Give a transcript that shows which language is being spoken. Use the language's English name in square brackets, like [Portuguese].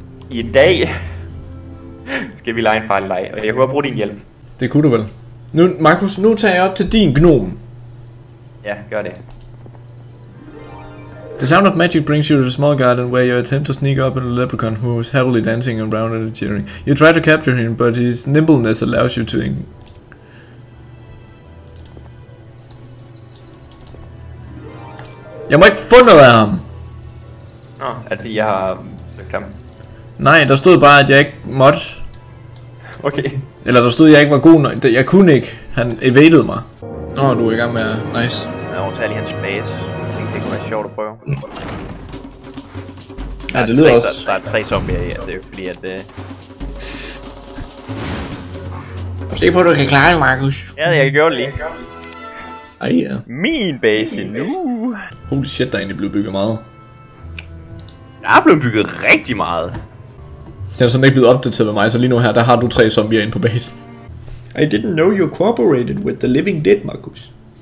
[Danish] I dag skal vi lege en farlig leg, og jeg kunne bruge din hjælp. Det kunne du vel. Nu, Markus, nu tager jeg op til din gnome. Ja, gør det. [English] The sound of magic brings you to the small garden where you attempt to sneak up on a leprechaun who is heavily dancing around and cheering. You try to capture him, but his nimbleness allows you to... [Danish] Jeg må ikke få noget af ham! Nå, er det jeg har søgt ham? Nej, der stod bare, at jeg ikke måtte. Okay. Eller der stod, at jeg ikke var god nok. Jeg kunne ikke. Han evadede mig. Nå, du er i gang med... Nice. Jeg overtager lige hans base. Jeg tænkte, det kunne være sjovt at prøve. Ja, det lyder også. Der er 3 zombier i, ja. Det er jo fordi, at det... Se på, at du kan klare det, Markus. Ja, jeg kan gøre det lige. Ej, ja. Min base nu! Holy shit, der er egentlig blevet bygget meget. Der er blevet bygget rigtig meget. Den er sådan ikke blevet opdateret med mig, så lige nu her, der har du 3 zombier ind på basen. [English] I didn't know you cooperated with the living dead, Marcus.